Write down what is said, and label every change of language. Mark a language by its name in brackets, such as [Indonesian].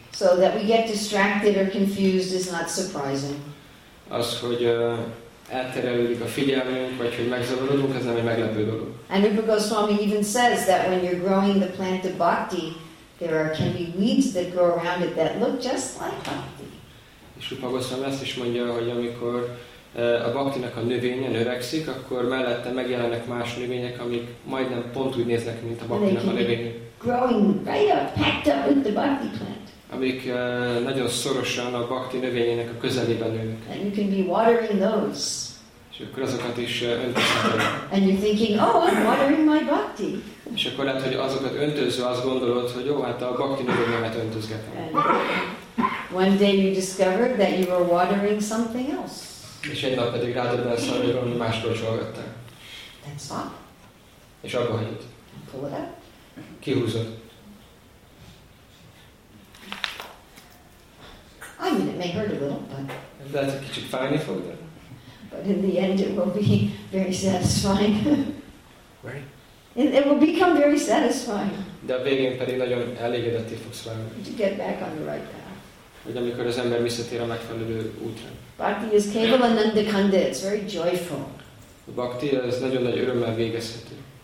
[English] So that we get distracted or confused is not surprising. [Hungarian] Az, hogy elterelődik a figyelmünk, vagy hogy megzavarodunk, ez nem egy meglepő dolog. [English] And Rupa Goswami even says that when you're growing the plant of bhakti, there can be weeds that grow around it that look just like bhakti. [Hungarian] És Rupa Goswami ezt is mondja, hogy amikor a baktinak a növénye növekszik, akkor mellette megjelennek más növények, amik majdnem pont úgy néznek, mint a baktinak a növénye. [English] Growing right up, packed up with the bhakti plant. [Hungarian] Amik nagyon szorosan a bhakti növényének a közelében nőnek. [English] And you can be watering those. [Hungarian] És akkor azokat is öntözheted. [English] And you're thinking, oh, I'm watering my bhakti. [Hungarian] És akkor lehet, hogy azokat öntözve azt gondolod, hogy jó, hát a bhakti növényemet öntözgetem. [English] One day you discovered that you were watering something else. [Hungarian] És egy nap pedig rádöbbensz arra, hogy másról csalogattál. [English] Then stop. [Hungarian] És abba hagyod. [English] Pull it out. [Hungarian] Kihúzod. [English] I mean, it may hurt a little, but... [Hungarian] Lehet, hogy kicsit fájni fog, de... [English] But in the end, it will be very satisfying. Right? It will become very satisfying. [Hungarian] De a végén pedig nagyon elégedetté fogsz válni. [English] To get back on the right path. [Hungarian] Hogy amikor az ember visszatér a megfelelő útra. [English] Bhakti is kevalananda kanda, it's very joyful. [Hungarian] A bhakti az nagyon nagy örömmel végezhető.